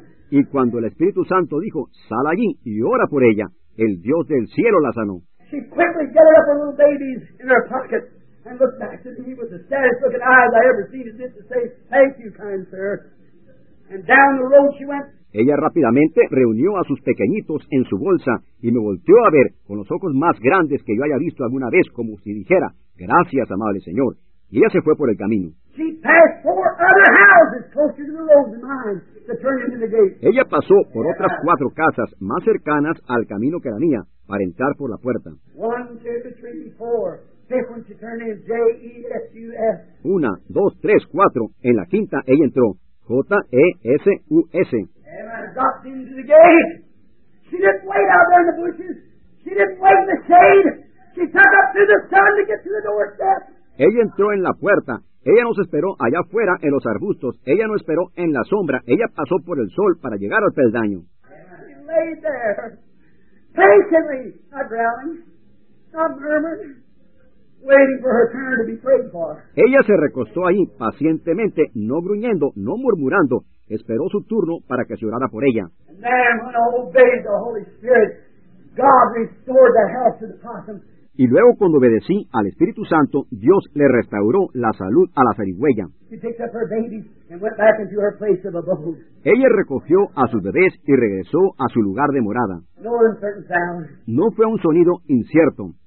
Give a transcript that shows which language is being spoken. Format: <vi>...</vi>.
<es>Y cuando el Espíritu Santo dijo, sal allí y ora por ella, el Dios del cielo la sanó.</es> <en>She quickly gathered up her little babies in her pocket. And looked back to me with the saddest looking eyes I ever seen, as if to say, thank you, kind sir. And down the road she went.</en> <es>Ella rápidamente reunió a sus pequeñitos en su bolsa y me volteó a ver con los ojos más grandes que yo haya visto alguna vez, como si dijera, gracias, amable señor. Y ella se fue por el camino.</es> <en>She passed four other houses closer to the road than mine to turn into the gate.</en> <es>Ella pasó por otras cuatro casas más cercanas al camino que la mía para entrar por la puerta.</es> <en>One, two, three, four. Fifth one she turned in, J-E-S-U-S.</en> <es>Una, dos, tres, cuatro. En la quinta ella entró, J-E-S-U-S.</es> <en>And I dropped into the gate. She didn't wait out there in the bushes. She didn't wait in the shade. She took up through the sun to get to the doorstep.</en> <es>Ella entró en la puerta. Ella nos esperó allá afuera en los arbustos. Ella no esperó en la sombra. Ella pasó por el sol para llegar al peldaño.</es> <en>And she lay there, patiently, not growling, not murmuring. Waiting for her turn to be prayed for.</en> <es>Ella se recostó ahí, pacientemente, no gruñendo, no murmurando. Esperó su turno para que se orara por ella.</es> <en>And then, when I obeyed the Holy Spirit, God restored the health to the possum.</en> <es>Y luego, cuando obedecí al Espíritu Santo, Dios le restauró la salud a la zarigüeya.</es> <en>She picked up her babies and went back into her place of abode.</en> <es>Ella recogió a sus bebés y regresó a su lugar de morada.</es> <en>No uncertain sound.</en> <es>No fue un sonido incierto.</es>